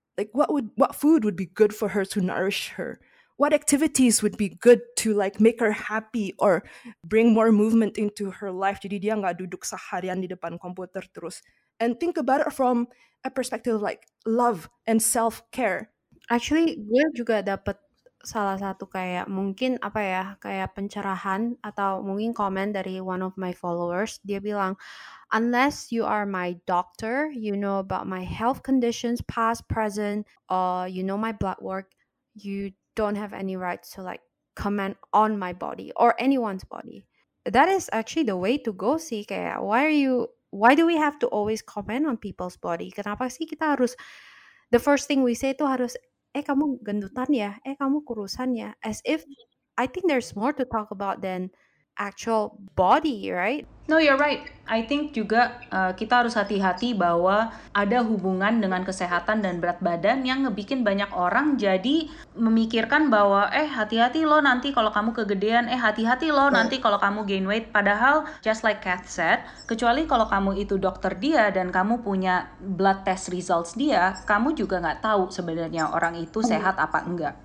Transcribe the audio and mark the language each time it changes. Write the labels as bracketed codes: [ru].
[en] Like, what food would be good for her to nourish her? What activities would be good to like make her happy or bring more movement into her life? [id] Jadi dia nggak duduk seharian di depan komputer terus. [en] And think about it from a perspective of like love and self-care. [id] Actually, gue juga dapat salah satu kayak mungkin apa ya, kayak pencerahan atau mungkin komen dari [en] one of my followers. [id] Dia bilang, [en] unless you are my doctor, you know about my health conditions, past, present, or you know my blood work, you don't have any rights to like comment on my body or anyone's body. That is actually the way to go sih. Kayak, why do we have to always comment on people's body? [id] Kenapa sih kita harus, [en] the first thing we say [id] itu harus, eh kamu gendutan ya, eh kamu kurusan ya. [en] As if, I think there's more to talk about than actual body, right? No, you're right. [id] I think juga kita harus hati-hati bahwa ada hubungan dengan kesehatan dan berat badan yang ngebikin banyak orang jadi memikirkan bahwa hati-hati lo nanti kalau kamu kegedean, hati-hati lo nanti kalau kamu [en] gain weight. [id] Padahal, [en] just like Kat said, [id] kecuali kalau kamu itu dokter dia dan kamu punya blood test results dia, kamu juga nggak tahu sebenarnya orang itu sehat apa enggak.